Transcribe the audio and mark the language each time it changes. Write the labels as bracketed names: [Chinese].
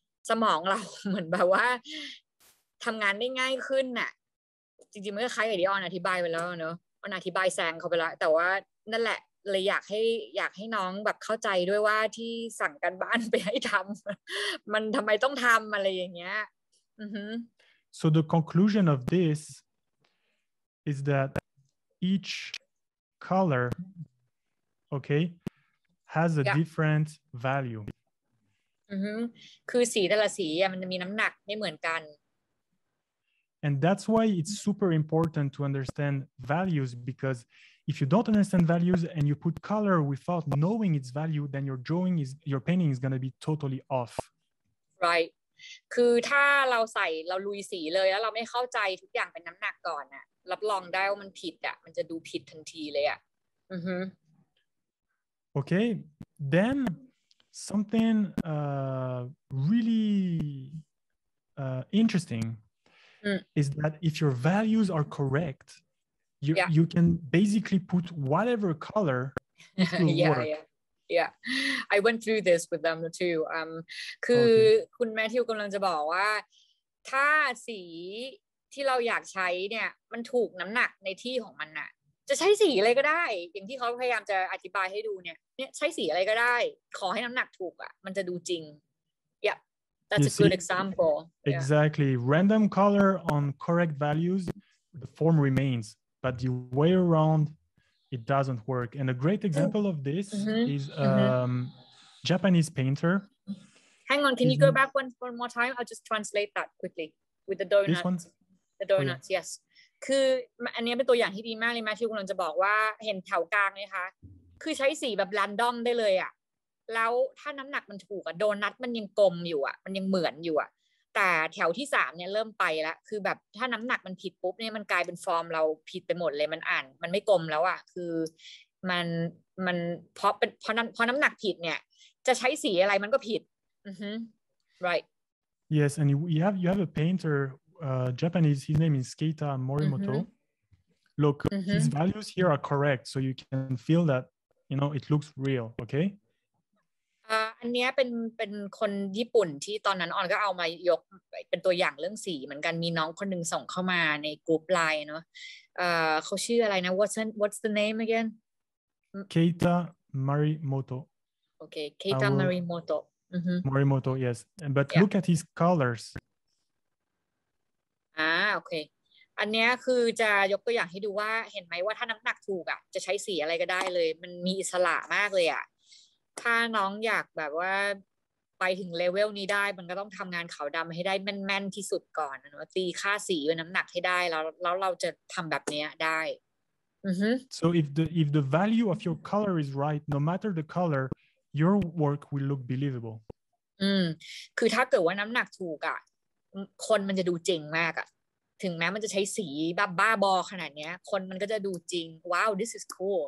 [Thai] สมองเราเหมือนแบบว่าทํางานได้ง่ายขึ้นน่ะจริงๆมันก็คล้ายกับที่ออนอธิบายไปแล้วเนาะออนอธิบายแซงเขาไปแล้วแต่ว่านั่นแหละเลยอยากให้น้องแบบเข้าใจด้วยว่าที่สั่งการบ้านไปให้ทำมันทำไมต้องทำอะไรอย่างเงี้ย [English] So the conclusion of this is that each color okay has a different value [Thai] คือสีแต่ละสีมันจะมีน้ำหนักไม่เหมือนกัน [English] And that's why it's super important to understand values becauseIf you don't understand values and you put color without knowing its value, then your painting is going to be totally off. Right. [Thai] คือถ้าเราใส่เราลุยสีเลยแล้วเราไม่เข้าใจทุกอย่างเป็นน้ำหนักก่อนน่ะรับรองได้ว่ามันผิดอ่ะมันจะดูผิดทันทีเลยอ่ะ [English] Okay. Then something really interesting is that if your values are correct. You can basically put whatever color will work. Yeah. I went through this with them too. [Thai] คือคุณแมทธิวกำลังจะบอกว่าถ้าสีที่เราอยากใช้เนี่ยมันถูกน้ำหนักในที่ของมันน่ะจะใช้สีอะไรก็ได้อย่างที่เขาพยายามจะอธิบายให้ดูเนี่ยเนี่ยใช้สีอะไรก็ได้ขอให้น้ำหนักถูกอ่ะมันจะดูจริง Yeah. [English] That's a good example. Exactly. Random color on correct values, the form remains. But the way around, it doesn't work. And a great example of this is a Japanese painter. Hang on, can you go back one more time? I'll just translate that quickly with the donuts. This one? The donuts, yes. [Thai] คืออันนี้เป็นตัวอย่างที่ดีมากเลยแมทธิวกำลังจะบอกว่าเห็นแถวกลางไหมคะ คือใช้สีแบบแรนดอมได้เลยอ่ะแล้วถ้าน้ำหนักมันถูกอ่ะโดนัทมันยังกลมอยู่อ่ะมันยังเหมือนอยู่อ่ะแต่แถวที่สามเนี่ยเริ่มไปละคือแบบถ้าน้ำหนักมันผิดปุ๊บเนี่ยมันกลายเป็นฟอร์มเราผิดไปหมดเลยมันอ่านมันไม่กลมแล้วอ่ะคือมันเพราะเป็นเพราะน้ำหนักผิดเนี่ยจะใช้สีอะไรมันก็ผิด right [English] yes and you have a painter Japanese his name is Keita Morimoto look his values here are correct so you can feel that you know it looks real okay [Thai] อันเนี้ยเป็นคนญี่ปุ่นที่ตอนนั้นออนก็เอามายกเป็นตัวอย่างเรื่องสีเหมือนกันมีน้องคนนึงส่งเข้ามาในกรุ๊ปไลน์เนาะเขาชื่ออะไรนะ [English] what's the name again Keita Morimoto. Okay, Keita Morimoto. Morimoto, yes. But yeah. Look at his colors. Okay. [Thai] อันเนี้ยคือจะยกตัวอย่างให้ดูว่าเห็นไหมว่าถ้าน้ำหนักถูกอ่ะจะใช้สีอะไรก็ได้เลยมันมีอิสระมากเลยอ่ะถ้าน้องอยากแบบว่าไปถึงเลเวลนี้ได้มันก็ต้องทำงานขาวดำให้ได้แม่นๆที่สุดก่อนนะตีค่าสีเป็นน้ำหนักให้ได้แล้วเราจะทำแบบเนี้ยได้ [English] So if the value of your color is right, no matter the color, your work will look believable. [Thai] คือถ้าเกิดว่าน้ำหนักถูกอ่ะคนมันจะดูจริงมากอ่ะถึงแม้มันจะใช้สีบ้าบ้าบอขนาดเนี้ยคนมันก็จะดูจริง [English] Wow, this is cool.